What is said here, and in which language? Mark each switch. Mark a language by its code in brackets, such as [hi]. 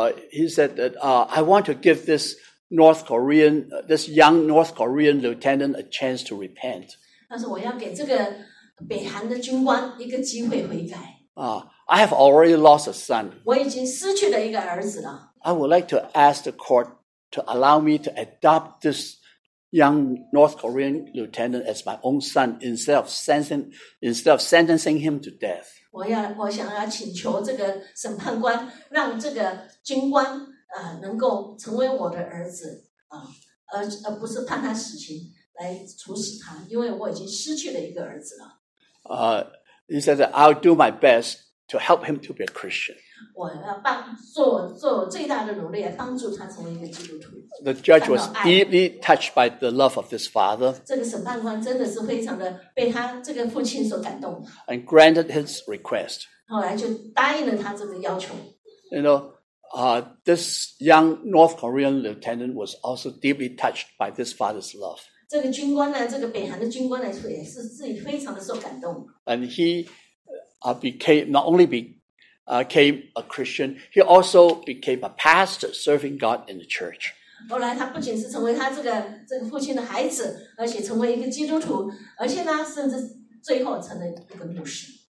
[en] He said that I want to give this young North Korean lieutenant a chance to repent. [zh] 他说我要给这个北韩的军官一个机会悔改。 [en] I have already lost a son. [zh] 我已经失去了一个儿子了。 [en] I would like to ask the court to allow me to adopt this young North Korean lieutenant as my own son instead of sentencing him to death. [zh] 我想要请求这个审判官让这个军官能够成为我的儿子而不是判他死刑来处死他，因为我已经失去了一个儿子了。 [en] He said that I'll do my best to help him to be a Christian. [zh] 我要帮做最大的努力，帮助他成为一个基督徒。 [en] The judge was deeply touched by the love of this father. [zh] 这个审判官真的是非常的被他这个父亲所感动。 [en] And granted his request. [zh] 后来就答应了他这个要求。 [en] You know, this young North Korean lieutenant was also deeply touched by this father's love. [zh] 这个军官呢，这个北韩的军官呢，也是自己非常的受感动。 [en] And he became not only became a Christian, he also became a pastor serving God in the church. [zh] 后来他不仅是成为他这个父亲的孩子，而且成为一个基督徒，而且呢，甚至最后成了一个牧师。